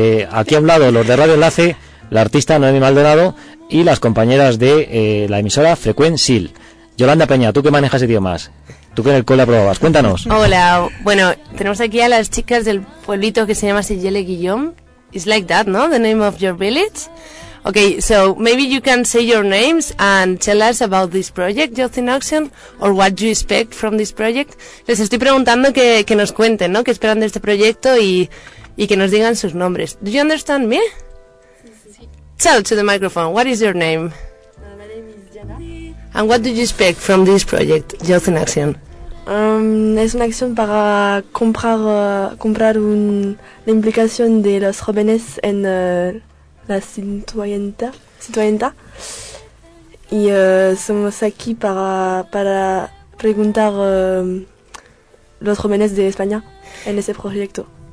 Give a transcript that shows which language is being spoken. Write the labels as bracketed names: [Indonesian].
[Spanish] Aquí a un lado, los de Radio Enlace, la artista Noemí Maldonado y las compañeras de la emisora Frequencil. Yolanda Peña, tú que manejas idiomas, tú que en el cole aprobabas, cuéntanos. Hola, bueno, tenemos aquí a las chicas del pueblito que se llama Sigele Guillaume. [English] It's like that, ¿no? The name of your village. Okay, so maybe you can say your names and tell us about this project, Youth in Action, or what you expect from this project. [Spanish] Les estoy preguntando que nos cuenten, ¿no? Que esperan de este proyecto y que nos digan sus nombres. [English] Do you understand me? Sí. Tell to the microphone, what is your name? My name is Jana. And what do you expect from this project, Youth in Action? [Spanish] Es una acción para comprar la implicación de los jóvenes en... la citoyenneta. Y somos aquí para preguntar los jóvenes de España en ese proyecto.